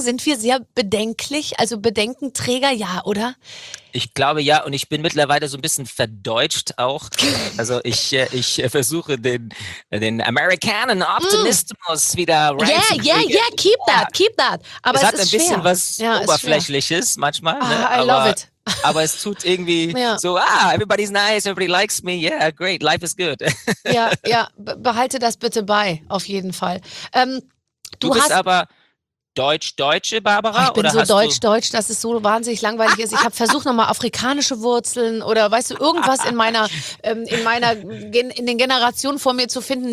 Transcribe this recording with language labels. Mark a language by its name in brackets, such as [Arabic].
[German] Sind wir sehr bedenklich, also Bedenkenträger, ja, oder? Ich glaube ja, und ich bin mittlerweile so ein bisschen verdeutscht auch. Also ich versuche den Amerikanen Optimismus wieder reinzukriegen. [English] Yeah, keep that. [German] Aber es hat ein bisschen was Oberflächliches manchmal. Ne? [English] I love it. [German] Aber es tut irgendwie [English] everybody's nice, everybody likes me, yeah, great, life is good. [German] ja, behalte das bitte bei, auf jeden Fall. Du bist aber... Deutsch-Deutsche, Barbara? Ich bin so deutsch-deutsch, dass es so wahnsinnig langweilig ist. Ich habe versucht, nochmal afrikanische Wurzeln oder weißt du, irgendwas in den Generationen vor mir zu finden.